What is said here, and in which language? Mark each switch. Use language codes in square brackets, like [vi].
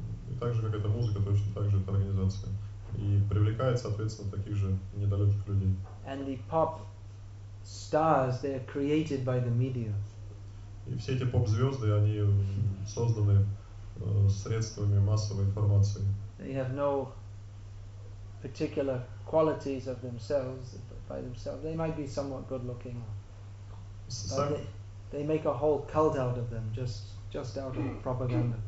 [ru] И также как эта музыка, точно так же это организация. И привлекает, соответственно, таких же недалеких людей. [en] And the pop stars, they are created by the media. [ru] И все эти поп-звезды, они созданы средствами массовой информации. [en] They have no particular qualities of themselves, by themselves. They might be somewhat good-looking. They make a whole cult out of them, just out of propaganda.